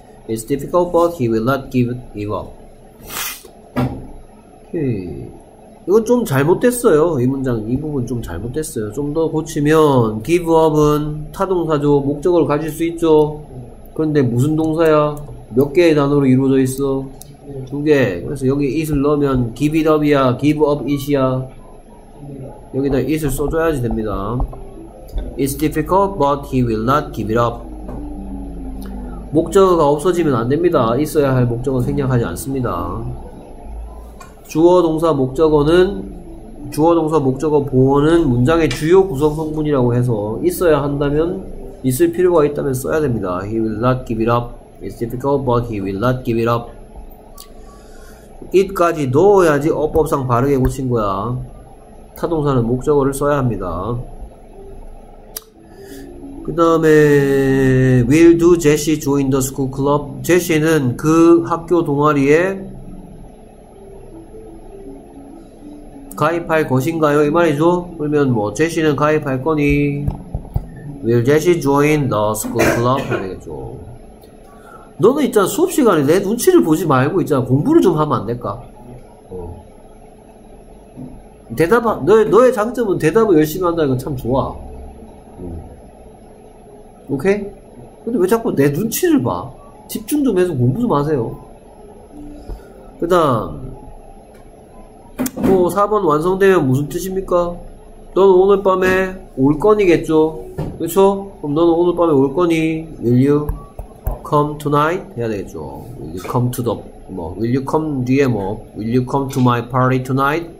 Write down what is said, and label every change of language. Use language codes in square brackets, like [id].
[en] It's difficult, but he will not give up. [ko] Okay. 이건 좀 잘못됐어요. 이 문장, 이 부분 좀 잘못됐어요. 좀 더 고치면, give up은 타동사죠. 목적을 가질 수 있죠. 그런데 무슨 동사야? 몇 개의 단어로 이루어져 있어? 두 개. 그래서 여기 it을 넣으면, [en] give it up [ko] 이야, [en] give up it [ko] 이야. 여기다 it을 써줘야지 됩니다. [en] It's difficult, but he will not give it up. [ko] 목적어가 없어지면 안 됩니다. 있어야 할 목적어 생략하지 않습니다. 주어 동사 목적어는 주어 동사 목적어 보어는 문장의 주요 구성 성분이라고 해서 있어야 한다면 있을 필요가 있다면 써야 됩니다. [en] He will not give it up. It's difficult, but he will not give it up. [ko] It까지 넣어야지 어법상 바르게 고친 거야. 타동사는 목적어를 써야 합니다. 그 다음에 [en] Will do Jesse join the school club? [ko] Jesse는 그 학교 동아리에 가입할 것인가요? 이 말이죠. 그러면 뭐 Jesse는 가입할 거니 [en] Will Jesse join the school club? [ko] 해야 되겠죠. 너는 있잖아 수업시간에 내 눈치를 보지 말고 있잖아 공부를 좀 하면 안 될까? 대답 너의 장점은 대답을 열심히 한다는 건 참 좋아. 오케이? 근데 왜 자꾸 내 눈치를 봐? 집중 좀 해서 공부 좀 하세요. 그 다음 뭐 4번 완성되면 무슨 뜻입니까? 넌 오늘 밤에 올 거니겠죠? 그쵸? 그럼 넌 오늘 밤에 올 거니? [en] Will you come tonight? [ko] 해야 되겠죠. [en] Will you come to the 뭐 Will you come 뒤에 뭐 Will you come to my party tonight?